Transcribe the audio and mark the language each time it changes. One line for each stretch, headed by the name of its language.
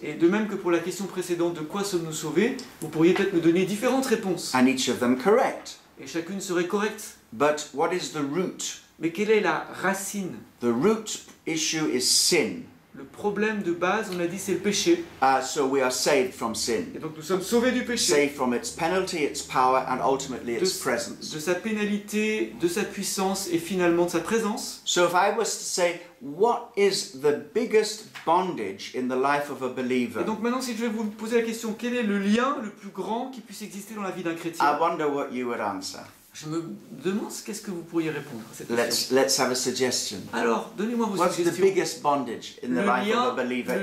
French: Et de même que pour la question précédente, de quoi sommes-nous sauvés, vous pourriez peut-être me donner différentes réponses.
English: And each of them correct.
French: Et chacune serait correcte.
English: But what is the root?
French: Mais quelle est la racine?
English: The root issue is sin.
French: Le problème de base, on a dit, c'est le péché.
English: So we are saved from sin.
French: Et donc nous sommes sauvés du péché.
English: Saved from its penalty, its power, and ultimately its presence.
French: De sa pénalité, de sa puissance et finalement de sa présence.
English: So if I was to say, what is the biggest bondage in the life of a believer?
French: Et donc maintenant, si je vais vous poser la question, quel est le lien le plus grand qui puisse exister dans la vie d'un chrétien?
English: I wonder what you would answer.
French: Je me demande qu'est-ce que vous pourriez répondre à cette question.
English: Let's have a suggestion.
French: Alors, donnez-moi vos
English: What's
French: suggestions.
English: What's the biggest bondage in the life of a believer?